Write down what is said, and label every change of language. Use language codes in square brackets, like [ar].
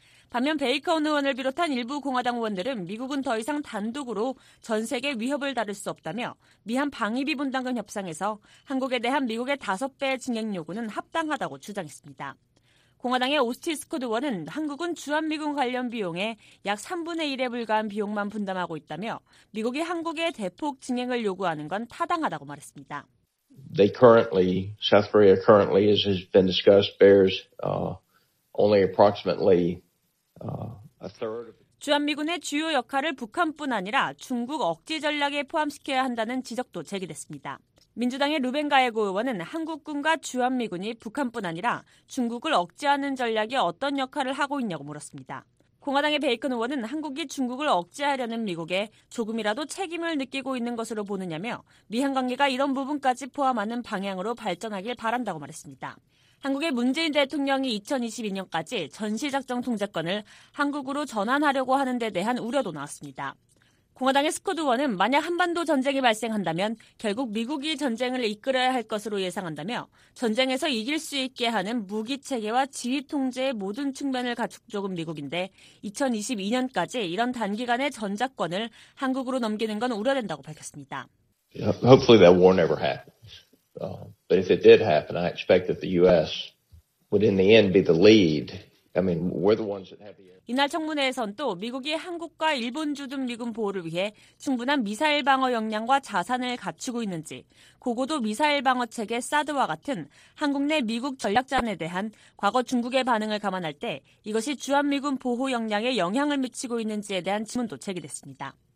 [ko] 반면 베이컨 의원을 비롯한 일부 공화당 의원들은 미국은 더 이상 단독으로 전 세계 위협을 다룰 수 없다며 미한 방위비 분담금 협상에서 한국에 대한 미국의 5배 증액 요구는 합당하다고 주장했습니다. 공화당의 오스틴 스콧 의원은 한국은 주한미군 관련 비용의 약 3분의 1에 불과한 비용만 분담하고 있다며 미국이 한국의 대폭 증액을 요구하는 건 타당하다고 말했습니다. [en] They currently, South Korea currently, as has been discussed, bears only approximately a third. [ko] 주한미군의 주요 역할을 북한뿐 아니라 중국 억지 전략에 포함시켜야 한다는 지적도 제기됐습니다. 민주당의 루벤 가예고 의원은 한국군과 주한미군이 북한뿐 아니라 중국을 억제하는 전략이 어떤 역할을 하고 있냐고 물었습니다. 공화당의 베이컨 의원은 한국이 중국을 억제하려는 미국에 조금이라도 책임을 느끼고 있는 것으로 보느냐며 미한 관계가 이런 부분까지 포함하는 방향으로 발전하길 바란다고 말했습니다. 한국의 문재인 대통령이 2022년까지 전시작전 통제권을 한국으로 전환하려고 하는 데 대한 우려도 나왔습니다. 공화당의 스콧 의원은 만약 한반도 전쟁이 발생한다면 결국 미국이 전쟁을 이끌어야 할 것으로 예상한다며 전쟁에서 이길 수 있게 하는 무기체계와 지휘통제의 모든 측면을 갖추고 미국인데 2022년까지 이런 단기간의 전작권을 한국으로 넘기는 건 우려된다고 밝혔습니다. [en] Hopefully that war never happened. But if it did happen, I expect that the U.S. would in the end be the lead. I mean, we're the ones that have the... [ko] 이날 청문회에선 또 미국이 한국과 일본 주둔 미군 보호를 위해 충분한 미사일 방어 역량과 자산을 갖추고 있는지, 고고도 미사일 방어 체계 사드와 같은 한국 내 미국 전략자산에 대한 과거 중국의 반응을 감안할 때 이것이 주한미군 보호 역량에 영향을 미치고 있는지에 대한 질문도 제기됐습니다.